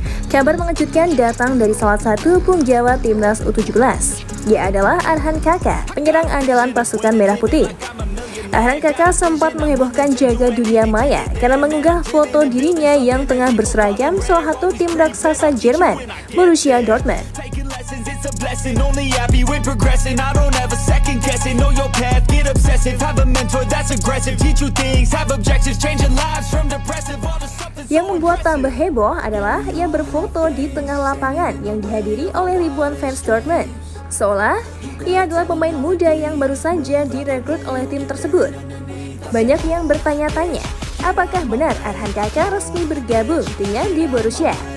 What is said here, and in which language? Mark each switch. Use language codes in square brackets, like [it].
[id] Kabar mengejutkan datang dari salah satu punggawa timnas U17. Dia adalah Arhan Kaka, penyerang andalan pasukan merah putih. Arhan Kaka sempat menghebohkan jagat dunia maya karena mengunggah foto dirinya yang tengah berseragam salah satu tim raksasa Jerman, Borussia Dortmund. [en] Blessing only happy with progressing. I don't ever second guessing. Know your path, get obsessive. Have a mentor that's aggressive. Teach you things, have objectives. Changing lives from depressive. [id] Yang membuat tambah heboh adalah ia berfoto di tengah lapangan yang dihadiri oleh ribuan fans Dortmund. Seolah ia adalah pemain muda yang baru saja direkrut oleh tim tersebut. Banyak yang bertanya-tanya, apakah benar Arhan Kaka resmi bergabung dengan di Borussia?